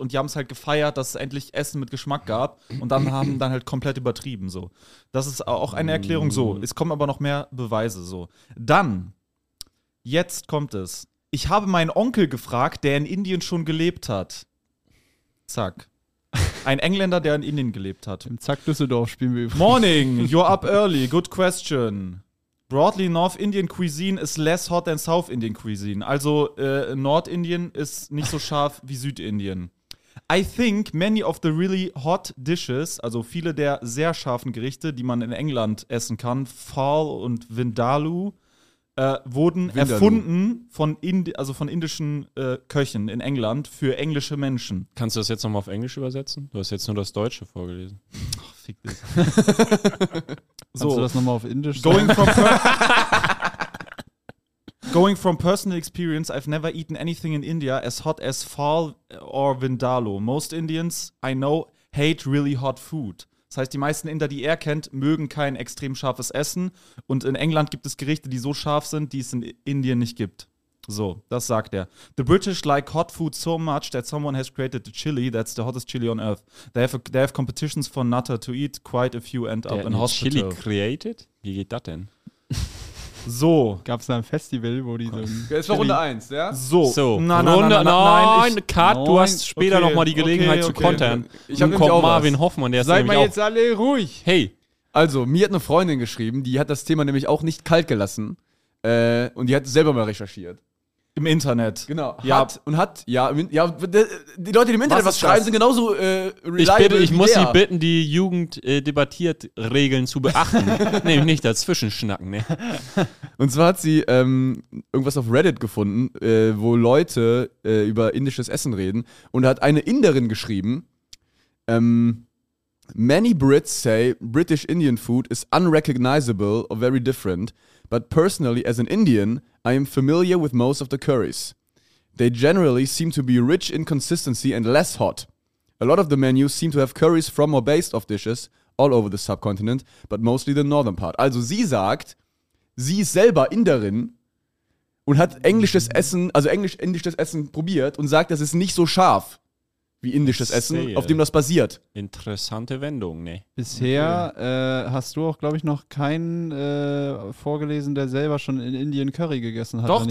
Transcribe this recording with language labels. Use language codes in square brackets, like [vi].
[de] Und die haben es halt gefeiert, dass es endlich Essen mit Geschmack gab. Und dann haben dann halt komplett übertrieben so. Das ist auch eine Erklärung so. Es kommen aber noch mehr Beweise so. Dann, jetzt kommt es. Ich habe meinen Onkel gefragt, der in Indien schon gelebt hat. Zack. Ein Engländer, der in Indien gelebt hat. Im Zack Düsseldorf spielen wir übrigens. [en] Morning, you're up early, good question. Broadly, North Indian Cuisine is less hot than South Indian Cuisine. [de] Also, Nordindien ist nicht so scharf wie Südindien. [en] I think many of the really hot dishes, [de] also viele der sehr scharfen Gerichte, die man in England essen kann, Pfahl und Vindaloo, wurden erfunden von indischen Köchen in England für englische Menschen. Kannst du das jetzt nochmal auf Englisch übersetzen? Du hast jetzt nur das Deutsche vorgelesen. Ach, fick dich. So, kannst du das nochmal auf Indisch sagen? [en] Going from personal experience, I've never eaten anything in India as hot as Pfahl or Vindaloo. Most Indians I know hate really hot food. [de] Das heißt, die meisten Inder, die er kennt, mögen kein extrem scharfes Essen. Und in England gibt es Gerichte, die so scharf sind, die es in Indien nicht gibt. So, das sagt er. [en] The British like hot food so much that someone has created the chili that's the hottest chili on earth. They have competitions for nutter to eat. Quite a few end up in hospital. Chili created? [de] Wie geht das denn? So. Gab es da ein Festival, wo die so... Ist doch Runde 1, ja? So. Nein, du hast später nochmal die Gelegenheit zu kontern. Ich habe nämlich auch Marvin Hoffmann, der ist nämlich auch... Seid mal jetzt alle ruhig. Hey. Also, mir hat eine Freundin geschrieben, die hat das Thema nämlich auch nicht kalt gelassen. Und die hat selber mal recherchiert. Im Internet. Genau. Ja. Die Leute, die im Internet was schreiben, sind genauso [en] reliable. [de] Ich muss sie bitten, die Jugend debattiert Regeln zu beachten. Nämlich nicht dazwischen schnacken. Nee. Und zwar hat sie irgendwas auf Reddit gefunden, wo Leute über indisches Essen reden. Und hat eine Inderin geschrieben, [en] many Brits say British Indian food is unrecognizable or very different. But personally, as an Indian, I am familiar with most of the curries. They generally seem to be rich in consistency and less hot. A lot of the menus seem to have curries from or based off dishes all over the subcontinent, but mostly the northern part. [de] Also sie sagt, sie ist selber Inderin und hat englisches Essen, also englisch-indisches Essen probiert und sagt, das ist nicht so scharf wie indisches Essen, auf dem das basiert. Interessante Wendung, ne? Bisher hast du auch, glaube ich, noch keinen vorgelesen, der selber schon in Indien Curry gegessen hat.